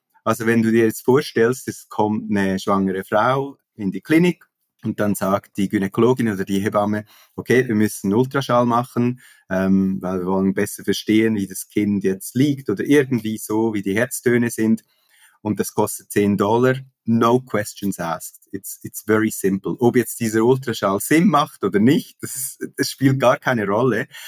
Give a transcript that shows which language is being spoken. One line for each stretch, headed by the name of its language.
German: Also wenn du dir jetzt vorstellst, es kommt eine schwangere Frau in die Klinik und dann sagt die Gynäkologin oder die Hebamme, okay, wir müssen einen Ultraschall machen, weil wir wollen besser verstehen, wie das Kind jetzt liegt oder irgendwie so, wie die Herztöne sind. Und das kostet $10,
English: no questions asked, it's very simple.
German: Ob jetzt dieser Ultraschall Sinn macht oder nicht, das spielt gar keine Rolle.